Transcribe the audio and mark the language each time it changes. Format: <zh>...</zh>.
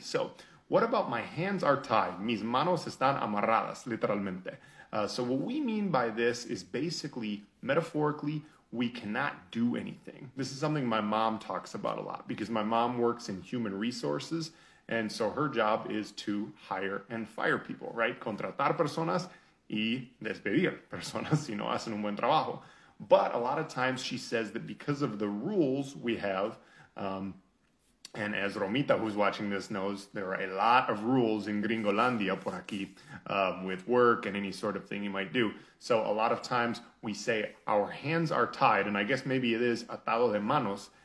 <en>So, what about my hands are tied?</en> <es>Mis manos están amarradas, literalmente.</es> <en>So, what we mean by this is basically, metaphorically, we cannot do anything. This is something my mom talks about a lot, because my mom works in human resources, and so her job is to hire and fire people, right?</en> <es>Contratar personas y despedir personas si no hacen un buen trabajo.</es> <en>But a lot of times she says that because of the rules we have, and as Romita, who's watching this, knows, there are a lot of rules in Gringolandia</en> <es>por aquí</es> <en>with work and any sort of thing you might do. So a lot of times we say our hands are tied, and I guess maybe it is</en> <es>atado de manos.</es>